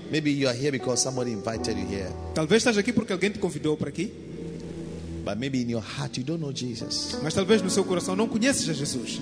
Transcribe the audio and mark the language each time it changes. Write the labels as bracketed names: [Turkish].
[English] Maybe you are here because somebody invited you here. [Portuguese] Talvez estás aqui porque alguém te convidou para aqui. [English] But maybe in your heart you don't know Jesus. [Portuguese] Mas talvez no seu coração não conheces a Jesus.